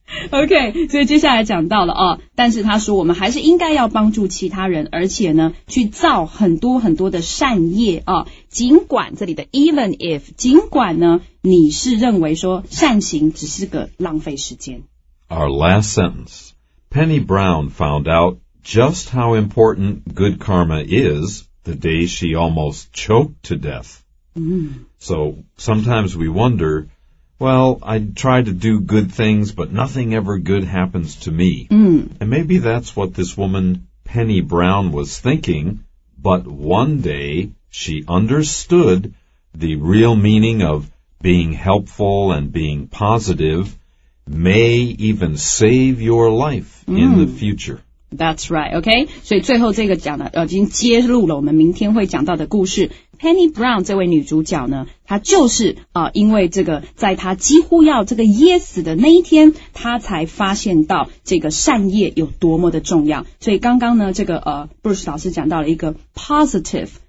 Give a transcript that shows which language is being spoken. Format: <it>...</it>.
<zh>Okay, 所以接下来讲到了、哦、但是他说我们还是应该要帮助其他人而且呢去造很多很多的善业、哦、尽管这里的</zh> <en>even if,</en> <zh>尽管呢你是认为说善行只是个浪费时间。</zh> <en>Our last sentence. Penny Brown found out just how important good karma is the day she almost choked to death. So sometimes we wonder, well, I try to do good things, but nothing ever good happens to me. And maybe that's what this woman, Penny Brown, was thinking. But one day she understood the real meaning of being helpful and being positive may even save your life in the future. That's right, okay?</en> <zh>所以最后这个讲的已经揭露了我们明天会讲到的故事。 Penny Brown 这位女主角呢她就是因为这个在她几乎要这个噎死的那一天她才发现到这个善业有多么的重要。所以刚刚呢这个Bruce 老师讲到了一个 positive.</zh>